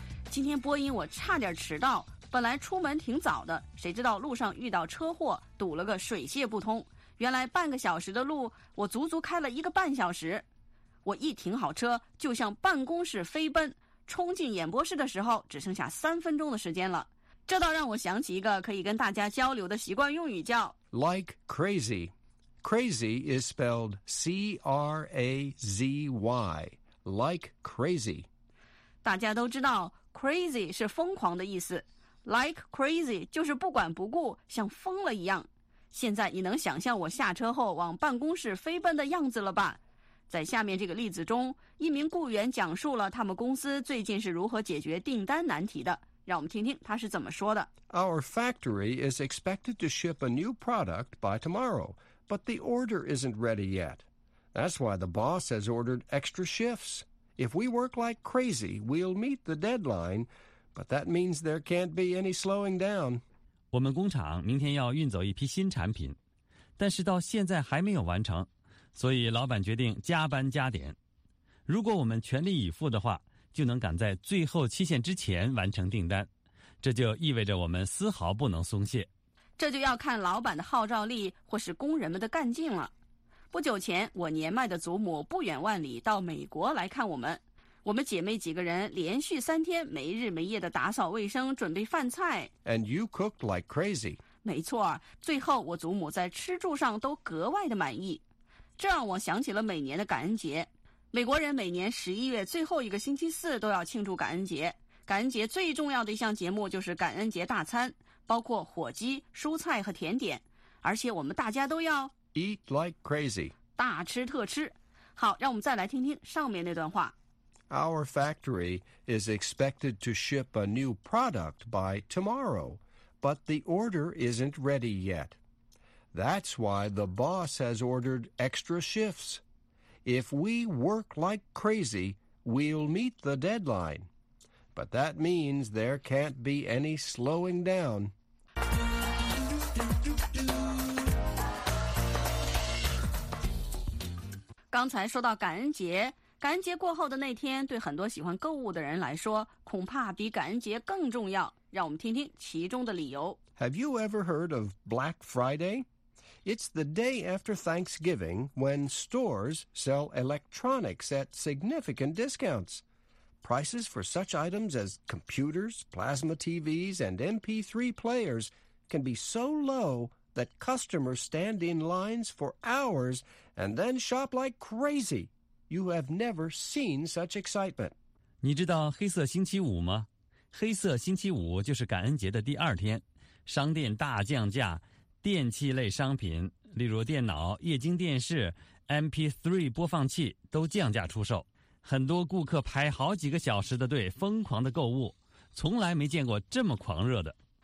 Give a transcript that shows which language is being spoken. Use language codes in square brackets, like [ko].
[zh] 今天播音我差点迟到，本来出门挺早的，谁知道路上遇到车祸，堵了个水泄不通。原来半个小时的路，我足足开了一个半小时。我一停好车，就向办公室飞奔，冲进演播室的时候，只剩下3分钟的时间了。这倒让我想起一个可以跟大家交流的习惯用语，叫 [en] Like crazy。 Crazy is spelled C-R-A-Z-Y, like crazy. [zh] 大家都知道 crazy 是疯狂的意思。Like crazy 就是不管不顾，像疯了一样。现在你能想象我下车后往办公室飞奔的样子了吧？在下面这个例子中，一名雇员讲述了他们公司最近是如何解决订单难题的。让我们听听他是怎么说的。 [en] Our factory is expected to ship a new product by tomorrow. But the order isn't ready yet. That's why the boss has ordered extra shifts. If we work like crazy, we'll meet the deadline, but that means there can't be any slowing down. [zh] 我们工厂明天要运走一批新产品，但是到现在还没有完成，所以老板决定加班加点。如果我们全力以赴的话，就能赶在最后期限之前完成订单，这就意味着我们丝毫不能松懈。这就要看老板的号召力或是工人们的干劲了。不久前，我年迈的祖母不远万里到美国来看我们。我们姐妹几个人连续3天没日没夜的打扫卫生，准备饭菜。 [en] And you cooked like crazy. [zh] 没错，最后我祖母在吃住上都格外的满意。这让我想起了每年的感恩节。美国人每年11月最后一个星期四都要庆祝感恩节。感恩节最重要的一项节目就是感恩节大餐，包括火鸡、蔬菜和甜点。而且我们大家都要 [en] Eat like crazy， [zh] 大吃特吃。好，让我们再来听听上面那段话。 [en] Our factory is expected to ship a new product by tomorrow, but the order isn't ready yet. That's why the boss has ordered extra shifts. If we work like crazy, we'll meet the deadline. But that means there can't be any slowing down. [zh] 刚才说到感恩节，感恩节过后的那天对很多喜欢购物的人来说恐怕比感恩节更重要。让我们听听其中的理由。 [en] Have you ever heard of Black Friday? It's the day after Thanksgiving when stores sell electronics at significant discounts. Prices for such items as computers, plasma TVs, and MP3 players can be so low that customers stand in lines for hours and then shop like crazy. You have never seen such excitement. [zh] 你知道黑色星期五吗？黑色星期五就是感恩节的第二天，商店大降价，电器类商品，例如电脑、液晶电视、MP3 播放器都降价出售。很多顾客排好几个小时的队，疯狂的购物，从来没见过这么狂热的。